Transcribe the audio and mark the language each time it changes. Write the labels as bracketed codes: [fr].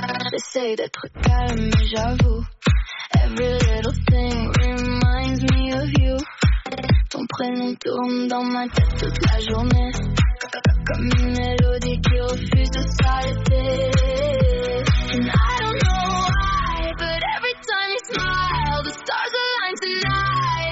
[fr] J'essaie d'être calme, mais j'avoue. [en] Every little thing reminds me of you. [fr] Ton prénom tourne dans ma tête toute la journée. Comme une mélodie qui refuse de s'arrêter. [en] And I don't know why, but every time you smile, the stars align tonight.